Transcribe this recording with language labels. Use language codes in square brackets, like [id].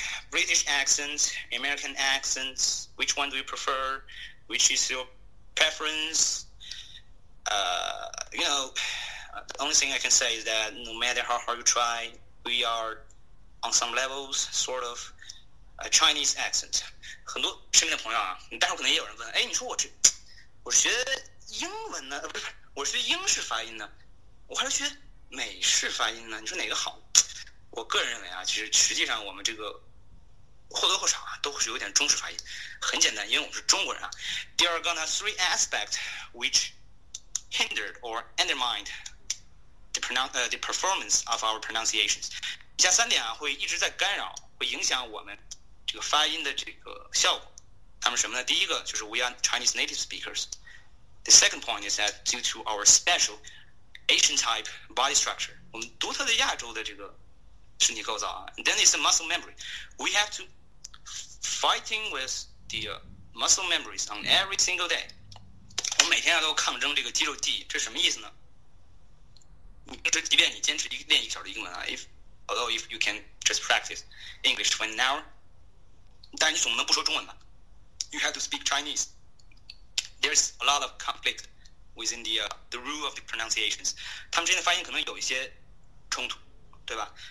[en] British accents, American accents, which one do you prefer? Which is your preference? The only thing I can say is that no matter how hard you try, we are on some levels sort of a Chinese accent. [zh] 很多身边的朋友啊，待会可能也有人问，哎，你说我学英文呢，不是，我学英式发音呢，我还要学美式发音呢，你说哪个好？我个人认为啊，其实实际上我们这个或多或少啊，都是有点中式发音。很简单，因为我们是中国人啊。第二个呢， [en] three aspects which hindered or undermined the performance of our pronunciations。 [zh] 以下三点啊，会一直在干扰，会影响我们这个发音的这个效果。他们什么呢？第一个就是 [en] we are Chinese native speakers。The second point is that due to our special Asian type body structure， [zh] 我们独特的亚洲的这个身体构造啊。 [en] And then it's a muscle memory。 We have to fighting with the muscle memories on every single day。 [zh] 我每天啊都抗争这个肌肉记忆，这什么意思呢？你这即便你坚持练一个小时英文啊， [en] although if you can just practice English for an hour， [zh] 但你总不能不说中文吧？ [en] You have to speak Chinese。 There's a lot of conflict within the rule of the pronunciations， [zh] 他们之间的发音可能有一些冲突，对吧？